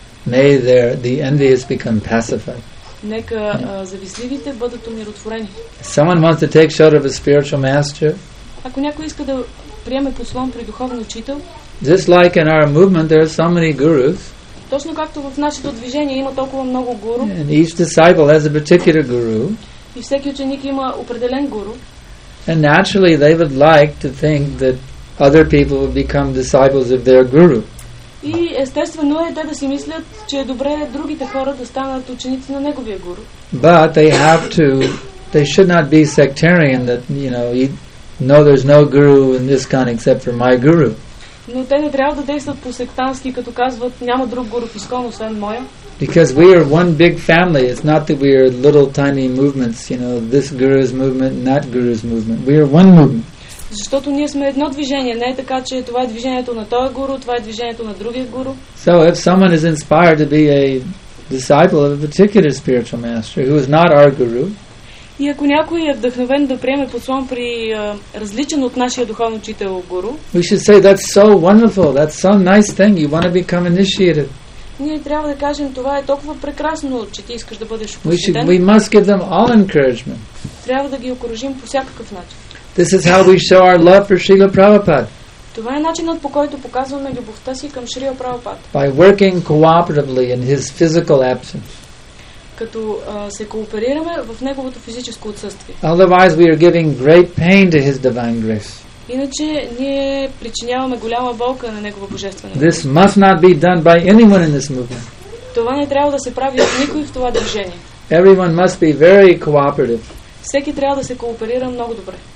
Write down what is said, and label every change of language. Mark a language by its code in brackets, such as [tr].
[en] May the envious become pacified. [bg] Нека завистливите бъдат умиротворени. [en] Someone wants to take shelter of a spiritual master. [bg] Ако някой иска да приеме послан при духовен учител, [en] just like in our movement, there are so many gurus. [bg] Точно както в нашето движение има толкова много гуру. [en] And each disciple has a particular guru. [bg] И всеки ученик има определен гуру. [en] And naturally, they would like to think that other people would become disciples of their guru. [bg] И естествено е те да си мислят, че е добре другите хора да станат ученици на неговия гуру. [en] But they have to. They should not be sectarian. That you know, no, there's no guru in this kind except for my guru. [bg] Но те не трябва да действат по сектански, като казват, няма друг гуру в Искон, освен моя. [en] Because we are one big family. It's not that we are little tiny movements, you know, this guru's movement and that guru's movement. We are one movement. [bg] Защото ние сме едно движение. Не е така, че това е движението на този гуру, това е движението на другия гуру. [en] So if someone is inspired to be a disciple of a particular spiritual master who is not our guru, [bg] и ако някой е вдъхновен да приеме послан при различен от нашия духовен учител гуру, [en] we should say, that's so wonderful, that's so nice thing, you want to become initiated. [bg] Ние трябва да кажем, това е толкова прекрасно, че ти искаш да бъдеш посветен. [en] We must give them all encouragement. [bg] Трябва да ги окоръжим по всякакъв начин. [en] This is how we show our love for Srila Prabhupada. [bg] Това е начинът, по който показваме любовта си към Шрила Прабхупад. [en] By working cooperatively in his physical absence. [bg] Като се кооперираме в неговото физическо отсъствие. [en] Otherwise we are giving great pain to his divine grace. [bg] Иначе ние причиняваме голяма болка на негова божествена любов. [en] This must not be done by anyone in this movement. [bg] Това не трябва да се прави от никой в това движение. [en] Everyone must be very cooperative. [bg] Всеки трябва да се кооперира много добре.